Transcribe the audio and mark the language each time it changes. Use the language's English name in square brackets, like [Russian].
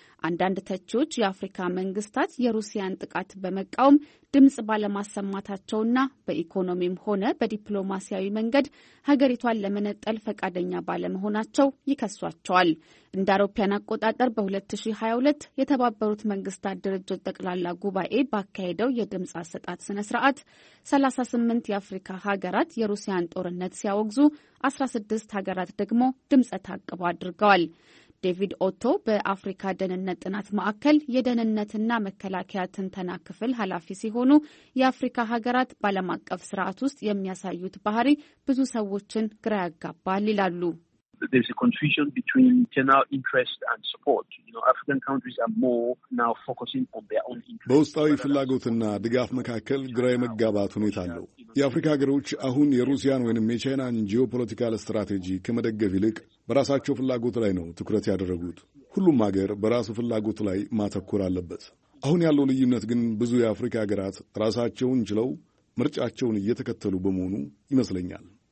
[Amharic] አንዳንድ ተቺዎች የአፍሪካ መንግስታት የሩሲያን ጥቃት በመቃወም ድምጽ ባለማሰማታቸውና በኢኮኖሚም ሆነ በዲፕሎማሲያዊ መንገድ ሀገሪቷን ለመነጠል ፈቃደኛ ባለመሆናቸው ይከሷቸዋል። እንደ አውሮፓውያን አቆጣጠር በ2022 የተባበሩት መንግስታት ድርጅት ጠቅላላ ጉባኤ ባካሄደው የድምጽ አሰጣጥ ስነ ስርዓት 38 የአፍሪካ ሀገራት የሩሲያን ጦርነት ሲያወግዙ 16 ሀገራት ደግሞ ድምጸ ተአቅቦ አድርገዋል። ዴቪድ ኦቶ በአፍሪካ ደህንነት ጥናት ማዕከል የደህንነትና መከላከያ ትንተና ክፍል ኃላፊ ሲሆኑ የአፍሪካ ሀገራት ባለም አቀፍ ስርዓት ውስጥ የሚያሳዩት ባህሪ ብዙ ሰዎችን ግራ ያጋባል ይላሉ። [English] There's a confusion between internal interest and support. You know, African countries are more now focusing on their own interests. [Amharic] በውስጣዊ ፍላጎትና ድጋፍ መካከል ግራ የመጋባት ሁኔታ አለ። የአፍሪካ ሀገሮች አሁን የሩሲያን ወይንም የቻይናን ጂኦፖለቲካል ስትራቴጂ ከመደገፍ ይልቅ በራሳቸው ፍላጎት ላይ ነው ትኩረት ያደረጉት። ሁሉም ሀገር በራሱ ፍላጎት ላይ ማተኮር አለበት። አሁን ያለው ልዩነት ግን ብዙ የአፍሪካ ሀገራት ራሳቸውን ችለው ምርጫቸውን እየተከተሉ በመሆኑ ይመስለኛል።